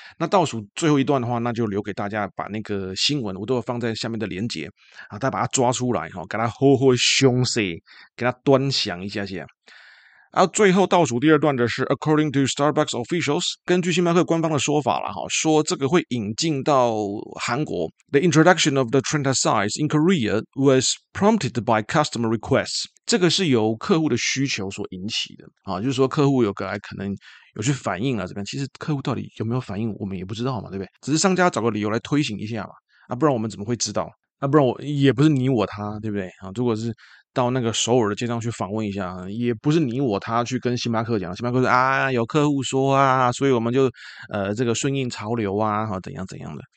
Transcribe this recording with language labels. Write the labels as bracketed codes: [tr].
[zh] 那倒数最后一段的话，那就留给大家把那个新闻，我都有放在下面的连结啊，大家把它抓出来哈，给它好好详细，给它端详一下下。然后最后倒数第二段的是 ， [en] according to Starbucks officials， [zh] 根据星巴克官方的说法了哈，说这个会引进到韩国。 [en] The introduction of the Trenta size in Korea was prompted by customer requests。 [zh] 这个是由客户的需求所引起的啊，就是说客户有个来可能有去反映了这边，其实客户到底有没有反映，我们也不知道嘛，对不对？只是商家找个理由来推行一下嘛，啊，不然我们怎么会知道？啊，不然我也不是你我他，对不对？啊，如果是。到那个首尔的街上去访问一下，也不是你我他去跟星巴克讲，星巴克说啊，有客户说啊，所以我们就这个顺应潮流啊，哈，怎样怎样的。